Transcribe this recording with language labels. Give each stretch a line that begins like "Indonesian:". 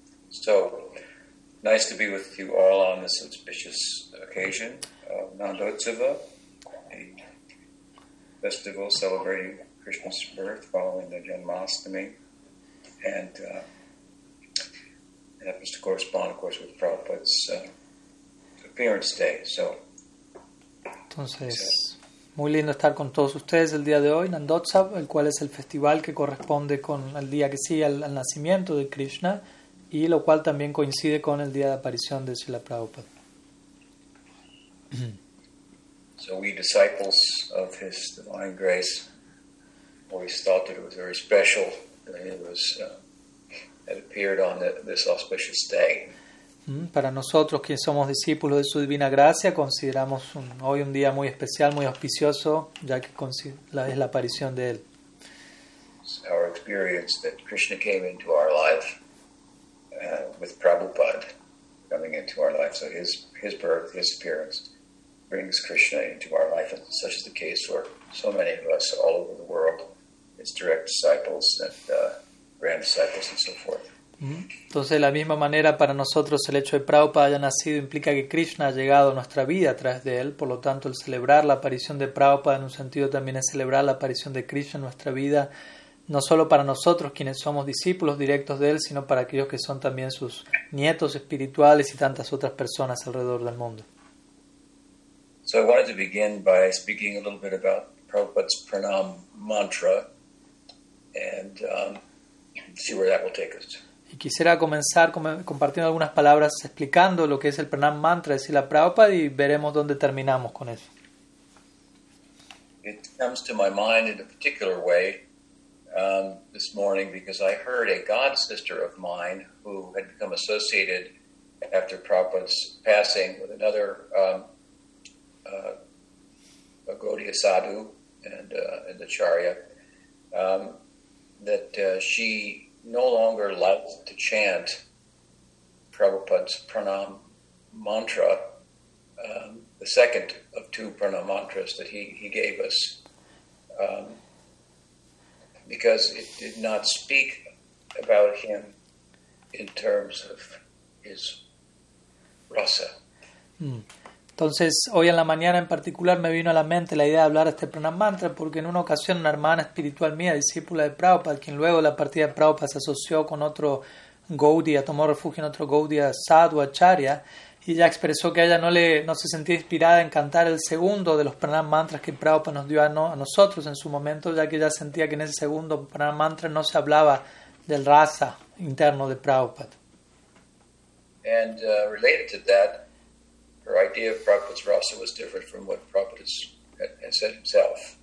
English: So, nice to be with you all on this auspicious occasion of Nandotsava, a festival celebrating Krishna's birth following the Janmashtami, and it happens to correspond, of course, with Prabhupada's appearance day. So,
Spanish: entonces, muy lindo estar con todos ustedes el día de hoy, Nandotsava, el cual es el festival que corresponde con el día que sigue al nacimiento de Krishna. Y lo cual también coincide con el día de aparición de Srila Prabhupada.
English: So we disciples of his divine grace always thought that it was very special that it was that appeared on this auspicious day.
Spanish: Para nosotros que somos discípulos de su divina gracia consideramos hoy un día muy especial, muy auspicioso, ya que es la aparición de él.
English: It's our experience that Krishna came into our life. With Prabhupada coming into our life. So his birth, his appearance, brings Krishna into our life. And such is the case for so many of us all over the world, his direct disciples and grand disciples and so forth.
Spanish: Entonces, de la misma manera, para nosotros el hecho de Prabhupada haya nacido implica que Krishna ha llegado a nuestra vida a través de él. Por lo tanto, el celebrar la aparición de Prabhupada en un sentido también es celebrar la aparición de Krishna en nuestra vida no solo para nosotros quienes somos discípulos directos de él, sino para aquellos que son también sus nietos espirituales y tantas otras personas alrededor del mundo.
English: So I wanted to begin by speaking a little bit about Prabhupada's Pranama-mantra and see where that will take us.
Spanish: Y quisiera comenzar compartiendo algunas palabras explicando lo que es el Pranama-mantra de Srila Prabhupada y veremos dónde terminamos con eso.
English: It comes to my mind in a particular way this morning because I heard a god sister of mine who had become associated after Prabhupada's passing with another a Gaudiya sadhu and an acharya that she no longer loved to chant Prabhupada's pranam mantra, the second of two pranam mantras that he gave us, because it did not speak about him in terms of his rasa.
Spanish: Entonces, hoy en la mañana en particular me vino a la mente la idea de hablar de este Pranam Mantra porque en una ocasión una hermana espiritual mía, discípula de Prabhupada, quien luego de la partida de Prabhupada se asoció con otro Gaudiya, tomó refugio en otro Gaudiya Sadhu Acharya, y ella expresó que ella no se sentía inspirada en cantar el segundo de los Pranam Mantras que Prabhupada nos dio a nosotros en su momento, ya que ella sentía que en ese segundo Pranam Mantra no se hablaba del rasa interno de Prabhupada.
English: And related to that, her idea of Prabhupada's rasa was different from what Prabhupada had said himself.